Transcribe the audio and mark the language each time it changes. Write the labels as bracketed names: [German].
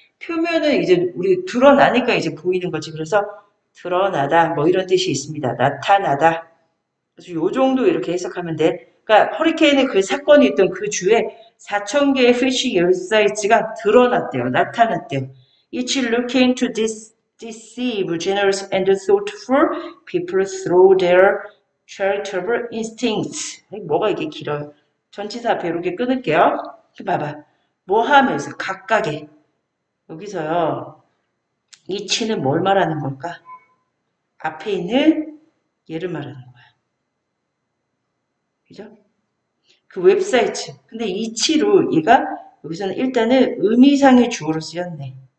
[Korean] 표면은 이제 우리 드러나니까 이제 보이는 거지. 그래서 드러나다 뭐 이런 뜻이 있습니다. 나타나다. 그래서 요 정도 이렇게 해석하면 돼. 그러니까 허리케인의 그 사건이 있던 그 주에 4천 개의 피싱 웹사이트가 드러났대요. 나타났대요. [English] Each looking to deceive generous and thoughtful people through their charitable instincts. [Korean] 뭐가 이게 길어요? 전치사 앞에 이렇게 끊을게요. 봐봐. 뭐 하면서 각각의 여기서요, 이치는 뭘 말하는 걸까? 앞에 있는 얘를 말하는 거야. 그죠? 그 웹사이트. 근데 이치로 얘가 여기서는 일단은 의미상의 주어로 쓰였네.